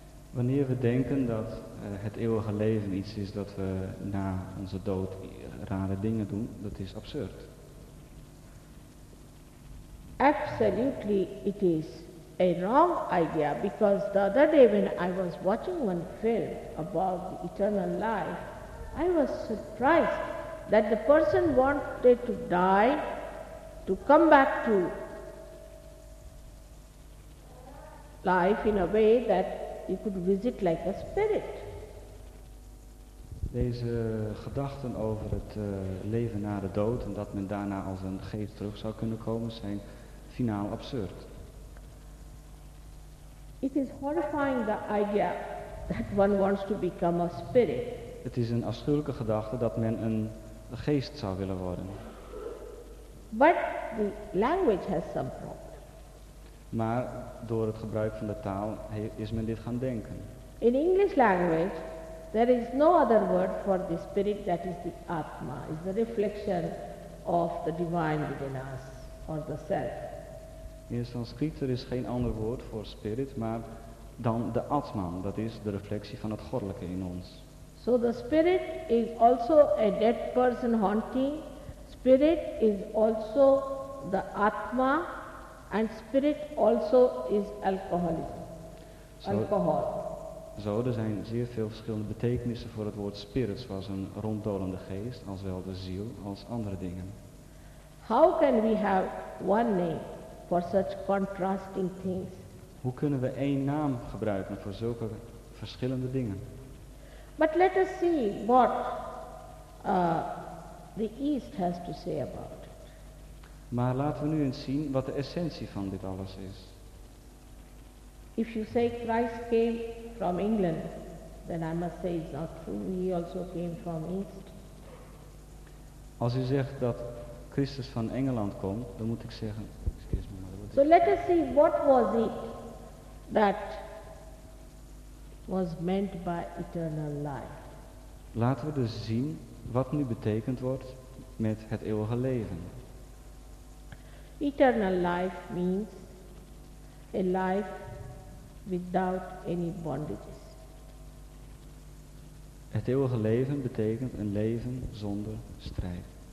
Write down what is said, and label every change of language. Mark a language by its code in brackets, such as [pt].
[nl] Wanneer we denken dat het eeuwige leven iets is dat we na onze dood rare dingen doen, dat is absurd. [en] Absolutely, it is a wrong idea, because the other day when I was watching one film about the eternal life, I was surprised that the person wanted to die to come back to life in a way that you could visit like a spirit. [nl] Deze gedachten over het leven na de dood en dat men daarna als een geest terug zou kunnen komen zijn finaal absurd. [en] It is horrifying, the idea that one wants to become a spirit. [nl] Het is een afschuwelijke gedachte dat men een geest zou willen worden. [en] But the language has some problem. [nl] Maar door het gebruik van de taal is men dit gaan denken. [en] In English language there is no other word for the spirit, that is the Atma, is the reflection of the divine within us or the self. [nl] In Sanskriet er is geen ander woord voor spirit, maar dan de Atman, dat is de reflectie van het goddelijke in ons. [en] So the spirit is also a dead person haunting. Spirit is also the Atma, and spirit also is alcoholism. Alcohol. [nl] Zo, er zijn zeer veel verschillende betekenissen voor het woord spirit, zoals een ronddolende geest, als wel de ziel, als andere dingen. [en] How can we have one name for such contrasting things? [nl] Hoe kunnen we één naam gebruiken voor zulke verschillende dingen? [en] But let us see what the East has to say about it. [nl] Maar laten we nu eens zien wat de essentie van dit alles is. [en] If you say Christ came from England, then I must say it's not true. He also came from East. [nl] Als u zegt dat Christus van Engeland komt, dan moet ik zeggen. [en] So let us see what was it that was meant by eternal life. [nl] Laten we dus zien wat nu betekend wordt met het eeuwige leven. [en] Eternal life means a life without any bondages. [nl] Het eeuwige leven betekent een leven zonder strijd.